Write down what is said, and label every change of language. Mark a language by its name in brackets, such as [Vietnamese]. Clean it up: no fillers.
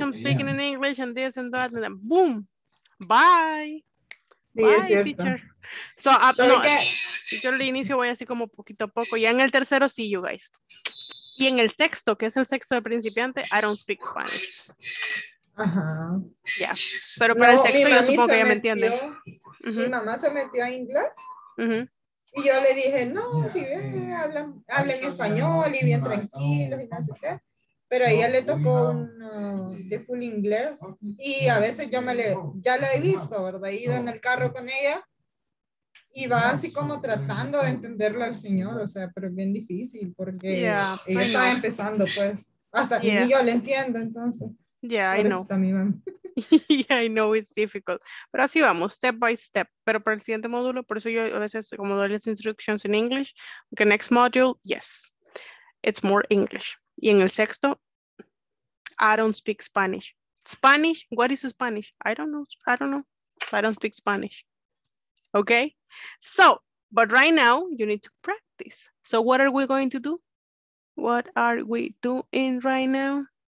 [English] I'm speaking in English and this and that. And then boom. Bye. [Spanish] Sí, bye, es cierto. Teacher. So, no, yo al inicio voy así como poquito a poco. Ya en el tercero sí, you guys. Y en el sexto, que es el sexto de principiante, [English] I don't speak Spanish. [Spanish] Ajá. Ya. Pero para el sexto yo supongo que ya me entiende. Mi mamá se metió a inglés. Uh-huh. Y yo le dije, no, si bien hablan español y bien tranquilos y no sé qué. Pero a ella le tocó un de full inglés. Y a veces yo ya la he visto, ¿verdad? Ido en el carro con ella. Y va así como tratando de entenderlo al señor, o sea, pero es bien difícil porque ella está empezando, pues. Hasta ni yo le entiendo, entonces. [English] Yeah, I know. Yeah, I know it's difficult. [Spanish] Pero así vamos, [English] step by step. [Spanish] Pero para el siguiente módulo, por eso yo a veces como doy las [English] instructions in English. Okay, next module, yes. It's more English. [Spanish] Y en el sexto, [English] I don't speak Spanish. Spanish, what is Spanish? I don't know. I don't speak Spanish. Okay? So, but right now, you need to practice. So what are we going to do? What are we doing right now?